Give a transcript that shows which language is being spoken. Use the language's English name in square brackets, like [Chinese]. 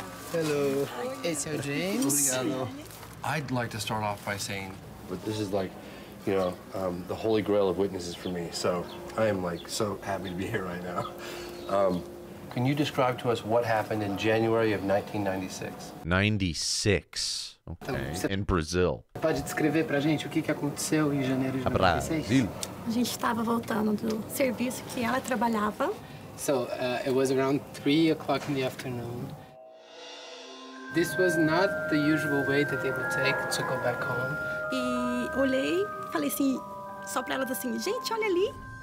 [English] Hello. It's your James. I'd like to start off by saying, but this is like, you know, the holy grail of witnesses for me. So I am like so happy to be here right now. Can you describe to us what happened in January of 1996? 96. Okay. In Brazil. [Portuguese] Pode descrever pra gente o que aconteceu em janeiro de 96? A gente estava voltando do serviço que ela trabalhava. [English] So, it was around 3 o'clock in the afternoon. This was not the usual way that they would take to go back home. [Portuguese] E olhei, falei assim, só pra elas assim, gente, olha ali.